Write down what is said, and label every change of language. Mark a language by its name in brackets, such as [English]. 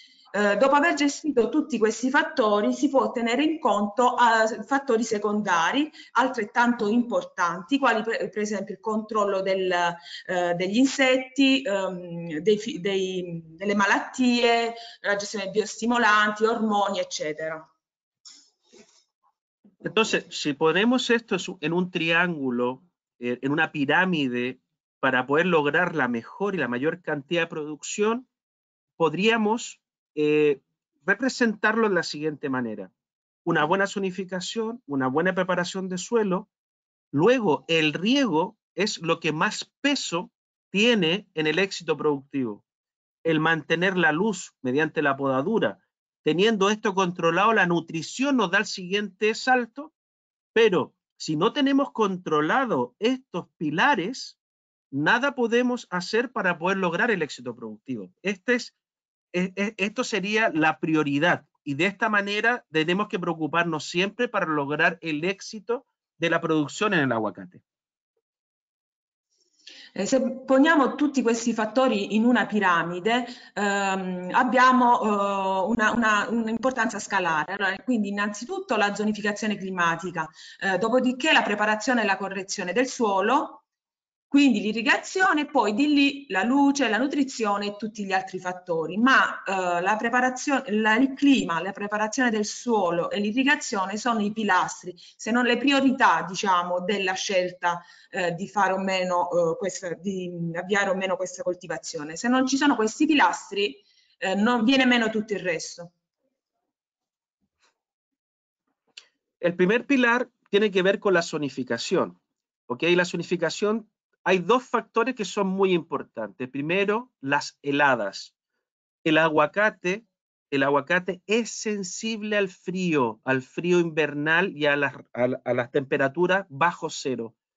[Italian] Dopo aver gestito tutti questi fattori si può tenere in conto fattori secondari altrettanto importanti, quali per esempio il controllo degli insetti, delle malattie, la gestione di biostimolanti, ormoni, eccetera. [Spanish] Entonces, si ponemos esto en un triángulo, en una pirámide, para poder lograr la mejor y la mayor cantidad de producción, podríamos representarlo de la siguiente manera. Una buena zonificación, una buena preparación de suelo, luego el riego es lo que más peso tiene en el éxito productivo. El mantener la luz mediante la podadura. Teniendo esto controlado, la nutrición nos da el siguiente salto, pero si no tenemos controlado estos pilares, nada podemos hacer para poder lograr el éxito productivo. Esto sería la prioridad, y de esta manera tenemos que preocuparnos siempre para lograr el éxito de la producción en el aguacate. [Italian] Se poniamo tutti questi fattori in una piramide, abbiamo un'importanza scalare. Allora, quindi innanzitutto la zonificazione climatica, dopodiché la preparazione e la correzione del suolo, quindi l'irrigazione, poi di lì la luce, la nutrizione e tutti gli altri fattori. Ma la preparazione, il clima, la preparazione del suolo e l'irrigazione sono i pilastri, se non le priorità, diciamo, della scelta. Di fare o meno questa, di avviare o meno questa coltivazione. Se non ci sono questi pilastri, non viene meno tutto il resto. [Spanish] El primer pilar tiene que ver con la zonificación. ¿Okay? La zonificación, hay dos factores que son muy importantes. Primero, las heladas. El aguacate es sensible al frío invernal y a las temperaturas bajo cero.